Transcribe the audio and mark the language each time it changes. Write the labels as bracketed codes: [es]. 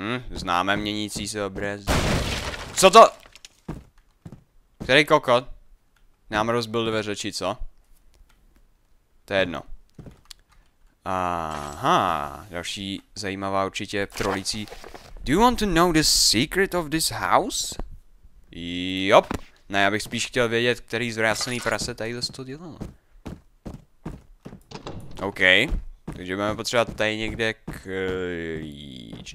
[cs] Známe měnící se obrázek. Co to? Který kokot? Nám rozbil dveře, či co? To je jedno. Aha, další zajímavá určitě trolící. [en] Do you want to know the secret of this house? [cs] Jop. Ne, já bych spíš chtěl vědět, který zvrácený prase tady zase to dělal. OK. Takže budeme potřebovat tady někde klíč.